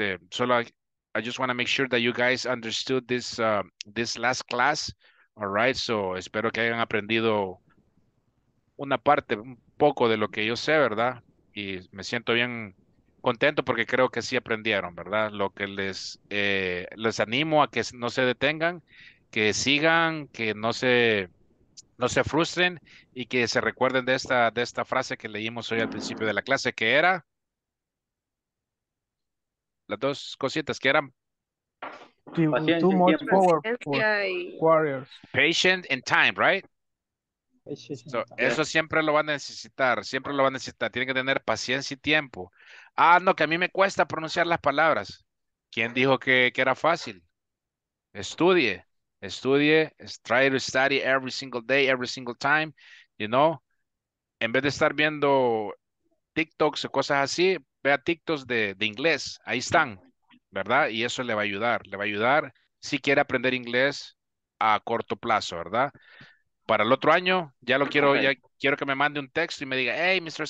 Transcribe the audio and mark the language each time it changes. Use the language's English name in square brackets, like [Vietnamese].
[English] Solo, I just want to make sure that you guys understood this this last class. [Spanish] All right, so espero que hayan aprendido una parte, un poco de lo que yo sé, ¿verdad? Y me siento bien contento porque creo que sí aprendieron, ¿verdad? Lo que les animo a que no se detengan, que sigan, que no se frustren y que se recuerden de esta frase que leímos hoy al principio de la clase, que era las dos cositas que eran [English] too much power for warriors. Patient and time, right? [Spanish] So, eso siempre lo va a necesitar, siempre lo va a necesitar. Tiene que tener paciencia y tiempo. Ah, no, que a mí me cuesta pronunciar las palabras. ¿Quién dijo que era fácil? Estudie, estudie, [English] try to study every single day, every single time, you know. [Spanish] En vez de estar viendo TikToks o cosas así, vea TikToks de inglés, ahí están, ¿verdad? Y eso le va a ayudar, si quiere aprender inglés a corto plazo, ¿verdad? Para el otro año, ya lo quiero, ya quiero que me mande un texto y me diga, hey, Mr.